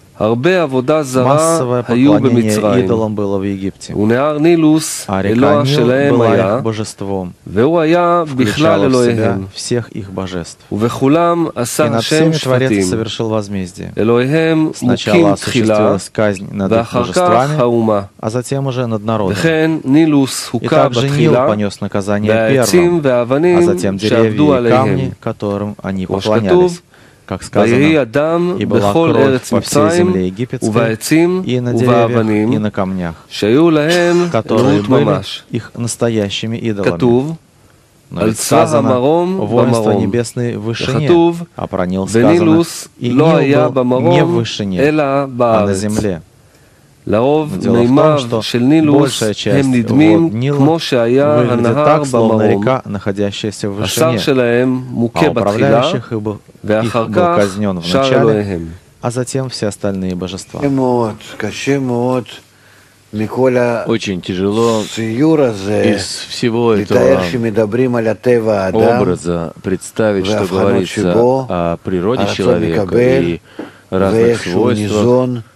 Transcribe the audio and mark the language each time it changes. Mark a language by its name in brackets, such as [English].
[Hebrew] הרבה עבודה זרה היו במצרים. ונהר נילוס, אלוה שלהם היה, והוא היה בכלל אלוהיהם. ובכולם עשה השם שפטים. אלוהיהם מוקים תחילה, ואחר כך האומה. [Russian] А затем уже над народом. И также Нил понес наказание первым, а затем деревья и камни, которым они поклонялись. Как сказано, и была кровь по всей земле египетской, и на деревьях, и на камнях, которые были их настоящими идолами. Но ведь сказано, воинство небесное в вышине, а про Нил сказано, и Нил был не в вышине, а на земле. [Hebrew] לרוב מימיו של נילוס הם נדמים כמו שהיה הנהר במרום. השר שלהם מוכה בתחילה, ואחר כך שר אלוהיהם. אז [Russian] затем все остальные божества. [Hebrew] קשה מאוד, קשה מאוד. Николя, [Russian] очень тяжело из всего этого образа представить, что говорится о природе человека и разных свойствах.